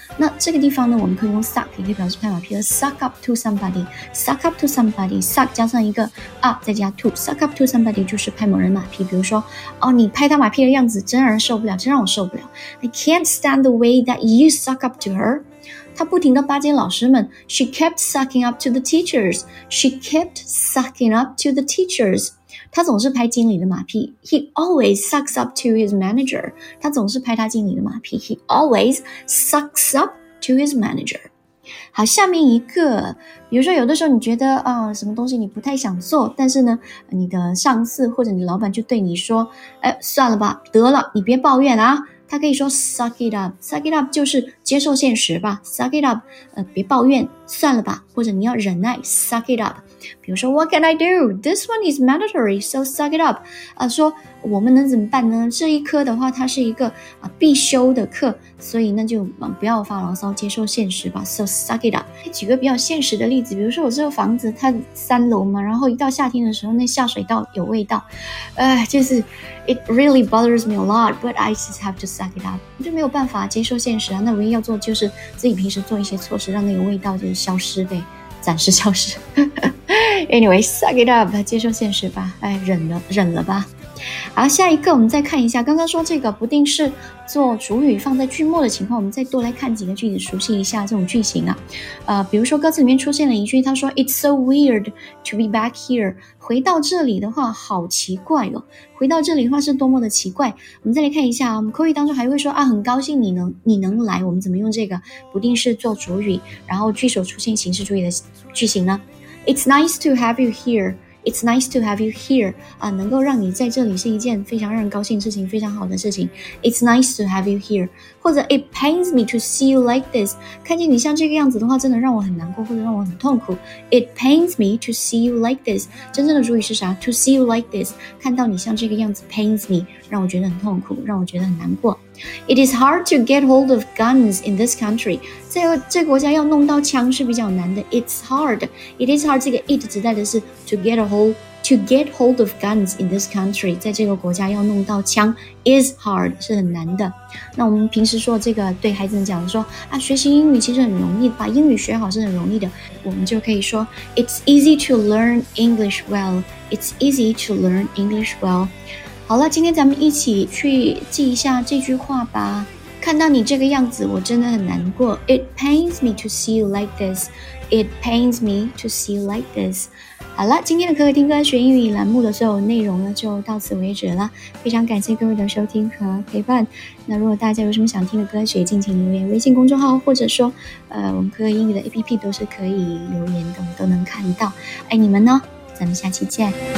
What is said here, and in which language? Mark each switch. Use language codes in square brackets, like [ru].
[zh] 那这个地方呢，我们可以用 suck 也可以表示拍马屁，而 suck up to somebody， suck up to somebody， suck 加上一个 up 再加 to， suck up to somebody 就是拍某人马屁。比如说哦，你拍他马屁样子真让人受不了，真让我受不了。 [en] I can't stand the way that you suck up to her。 [zh] 她不停地巴结老师们， [en] She kept sucking up to the teachers， She kept sucking up to the teachers。 [zh] 她总是拍经理的马屁， [en] He always sucks up to his manager。 [zh] 她总是拍她经理的马屁， [en] He always sucks up to his manager。 [zh] 好，下面一个，比如说有的时候你觉得啊、什么东西你不太想做，但是呢你的上司或者你老板就对你说，哎，算了吧，得了，你别抱怨啊。他可以说 suck it up， suck it up 就是接受现实吧， suck it up、别抱怨，算了吧，或者你要忍耐， suck it up。比如说 [en] what can I do， this one is mandatory， so suck it up、 [zh] 说我们能怎么办呢，这一科的话它是一个、必修的课，所以那就不要发牢骚，接受现实吧。 [en] So suck it up。 [zh] 举个比较现实的例子，比如说我这个房子它三楼嘛，然后一到夏天的时候那下水道有味道，就是 [en] It really bothers me a lot, but I just have to suck it up。 [zh] 就没有办法接受现实啊，那唯一要做就是自己平时做一些措施让那个味道就消失呗，暂时消失。 [en] Anyway, suck it up, [zh] 接受现实吧，哎，忍了忍了吧。好，下一个我们再看一下刚刚说这个不定式做主语放在句末的情况，我们再多来看几个句子熟悉一下这种句型啊。比如说歌词里面出现了一句，他说 [en] It's so weird to be back here, [zh] 回到这里的话好奇怪哦，回到这里的话是多么的奇怪。我们再来看一下，我们口语当中还会说啊，很高兴你能来，我们怎么用这个不定式做主语然后句首出现形式主语的句型呢？ [en] It's nice to have you here. It's nice to have you here. [zh] 啊，能够让你在这里是一件非常让人高兴的事情，非常好的事情。 [en] It's nice to have you here. [zh] 或者 [en] It pains me to see you like this. [zh] 看见你像这个样子的话，真的让我很难过，或者让我很痛苦。 [en] It pains me to see you like this. [zh] 真正的主语是啥 [en] ？To see you like this. [zh] 看到你像这个样子 ，pains me， 让我觉得很痛苦，让我觉得很难过。 [en] It is hard to get hold of guns in this country. [zh] 这国家要弄到枪是比较难的。 [en] It's hard. It is hard. [zh] 这个 it 指代的是 [en] to get hold of guns in this country. [zh] 在这个国家要弄到枪 [en] is hard [zh] 是很难的。那我们平时说这个对孩子们讲说啊，学习英语其实很容易，把英语学好是很容易的。我们就可以说 [en] It's easy to learn English well. It's easy to learn English well. [zh] 好了，今天咱们一起去记一下这句话吧。看到你这个样子，我真的很难过。 [en] It pains me to see you like this. It pains me to see you like this. [zh] 好了，今天的可可听歌学英语栏目的所有内容呢，就到此为止了。非常感谢各位的收听和陪伴。那如果大家有什么想听的歌曲，敬请留言微信公众号，或者说，我们可可英语的 APP 都是可以留言的，我们都能看到。爱你们呢，咱们下期见。